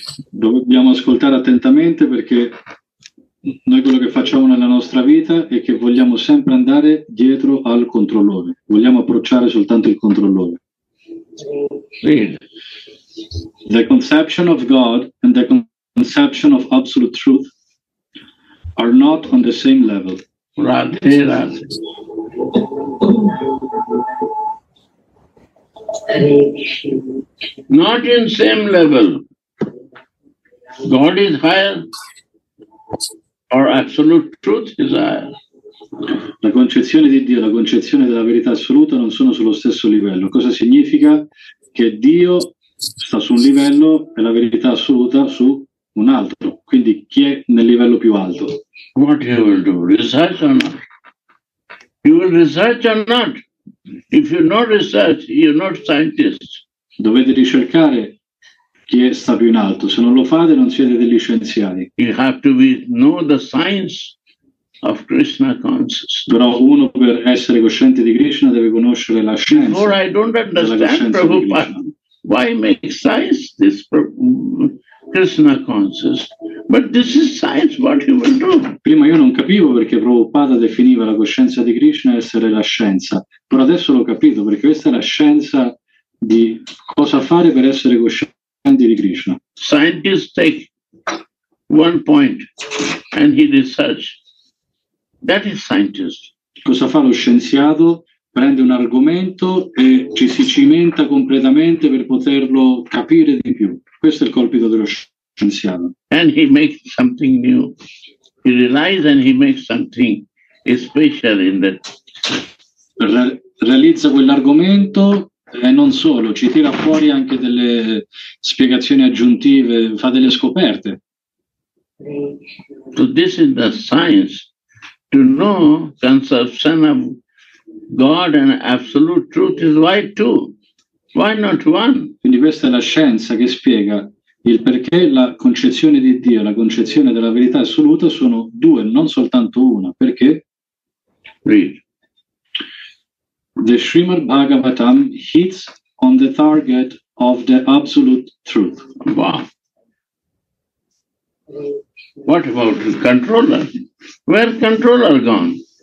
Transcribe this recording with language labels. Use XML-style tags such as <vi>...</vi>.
<it>Dobbiamo ascoltare attentamente perché noi quello che facciamo nella nostra vita è che vogliamo sempre andare dietro al controllore, vogliamo approcciare soltanto il controllore.</it> <en>The conception of God and the conception of absolute truth are not on the same level. Radhe Radhe. Not in same level. God is higher. Or absolute truth is higher.</en> <it>La concezione di Dio, la concezione della verità assoluta non sono sullo stesso livello. Cosa significa? Che Dio sta su un livello e la verità assoluta su un altro. Quindi chi è nel livello più alto?</it> <en>What you will do? Research or not? You will research or not? If you not research, you're not scientist.</en> <it>Dovete ricercare chi è sta più in alto. Se non lo fate, non siete degli scienziati.</it> <en>You have to be, know the science of Krishna consciousness.</en> <it>Però uno per essere cosciente di Krishna deve conoscere la scienza.</it> <en>Or I don't understand, Prabhupada. Why make science this Krishna consciousness? But this is science, what you will do.</en> <it>Prima io non capivo perché Prabhupada definiva la coscienza di Krishna essere la scienza. Però adesso l'ho capito perché questa è la scienza di cosa fare per essere cosciente.</it> <en>Scientist take one point and he research. That is scientist.</en> <it>Cosa fa lo scienziato? Prende un argomento e ci si cimenta completamente per poterlo capire di più. Questo è il compito dello scienziato.</it> <en>And he makes something new. He realizes and he makes something special in that.</en> <it>Realizza quell'argomento. E non solo, ci tira fuori anche delle spiegazioni aggiuntive, fa delle scoperte.</it> <en>So this is the science, to know conception of God and absolute truth is why two, why not one?</en> <it>Quindi questa è la scienza che spiega il perché la concezione di Dio, la concezione della verità assoluta sono due, non soltanto una. Perché?</it> <en>Read. The Srimad Bhagavatam hits on the target of the absolute truth. Wow. What about the controller? Where controller gone?</en>